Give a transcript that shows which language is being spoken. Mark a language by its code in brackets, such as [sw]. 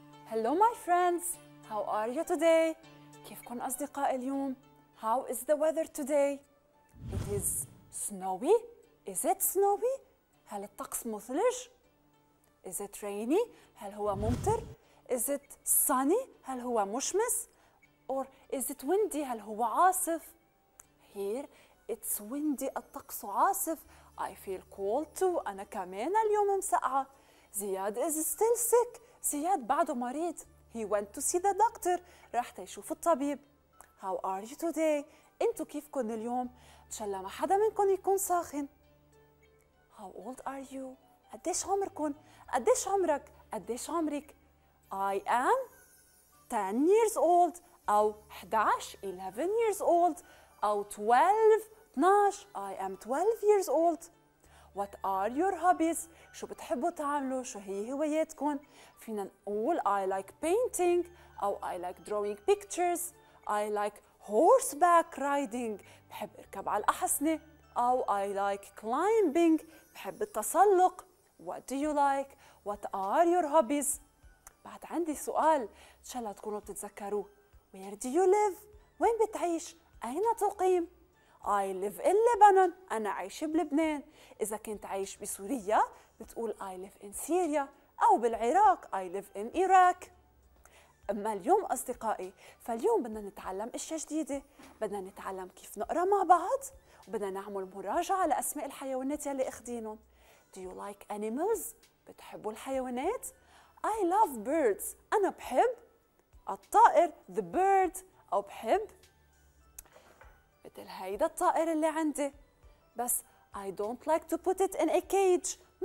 [en] Hello my friends, how are you today? [ar] كيفكن أصدقاء اليوم؟ [en] How is the weather today? It is snowy? Is it snowy? [ar] هل الطقس مثلج؟ [en] Is it rainy? [ar] هل هو ممطر؟ [en] Is it sunny? [ar] هل هو مشمس؟ [en] Or is it windy? [ar] هل هو عاصف؟ [en] Here it's windy, [ar] الطقس عاصف. [en] I feel cold too, [ar] أنا كمان اليوم مسقعة. [en] زياد is still sick. [ar] زياد بعده مريض. [en] He went to see the doctor. [ar] راح تيشوف الطبيب. [en] How are you today? [ar] انتو كيفكن اليوم؟ ان شاء الله ما حدا منكن يكون ساخن. [en] How old are you? [ar] قديش عمركن؟ قديش عمرك؟ قديش عمرك؟ [en] I am 10 years old. أو 11, 11 years old. أو 12, 12. I am 12 years old. What are your hobbies? [ar] شو بتحبوا تعملوا؟ شو هي هواياتكن؟ فينا نقول [en] I like painting [ar] أو [en] I like drawing pictures. I like horseback riding. [ar] بحب أركب على الأحصنة. [en] أو I like climbing. [ar] بحب التسلق. [en] What do you like? What are your hobbies? [ar] بعد عندي سؤال إن شاء الله تكونوا بتتذكروه. [en] Where do you live? [ar] وين بتعيش؟ أين تقيم؟ [en] I live in Lebanon. [ar] أنا عايش بلبنان. إذا كنت عايش بسوريا بتقول [en] I live in Syria. أو بالعراق I live in Iraq. [ar] أما اليوم أصدقائي، فاليوم بدنا نتعلم أشياء جديدة. بدنا نتعلم كيف نقرأ مع بعض، وبدنا نعمل مراجعة لأسماء الحيوانات يلي أخدينهم. [en] Do you like animals؟ [ar] بتحبوا الحيوانات؟ [en] I love birds. [ar] أنا بحب الطائر the bird. أو بحب مثل هيدا الطائر اللي عندي، بس [en] I don't like to put it in a cage.